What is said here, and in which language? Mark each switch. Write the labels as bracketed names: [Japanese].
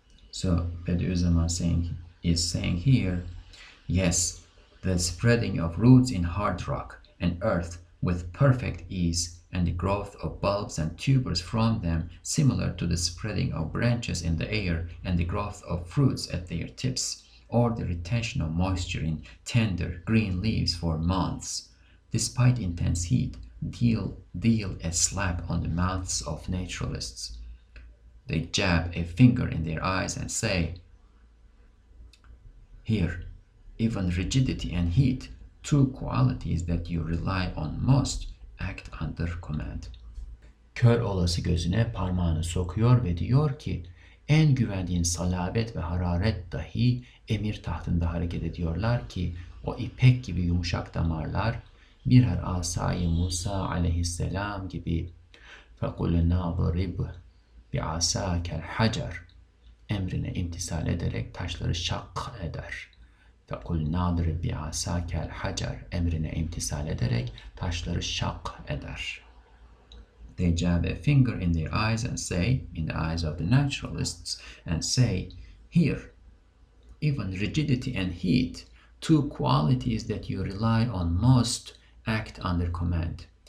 [English] So Bediüzzaman is saying here, yes, the spreading of roots in hard rock and earth with perfect ease, and the growth of bulbs and tubers from them, similar to the spreading of branches in the air and the growth of fruits at their tips, or the retention of moisture in tender green leaves for months, despite intense heat, deal a slap on the mouths of naturalists. They jab a finger in their eyes and say, here, even rigidity and heat, two qualities that you rely on most, act under command. [Turkish] Kör olası gözüne parmağını sokuyor ve diyor ki, en güvendiğin salabet ve hararet dahi emir tahtında hareket ediyorlar ki, o ipek gibi yumuşak damarlar, birer asayı Musa aleyhisselam gibi, [Arabic] فَقُلْنَا ضَرِبْ بِعَسَاكَ الْحَجَرِ [Turkish] emrine imtisal ederek taşları şak eder. [Arabic] فَقُلْنَا ضَرِبْ بِعَسَاكَ الْحَجَرِ [Turkish] emrine imtisal ederek taşları şak eder. [English] They jab a finger in their eyes and say, in the eyes of the naturalists, and say, here, even rigidity and heat, two qualities that you rely on most, act under command.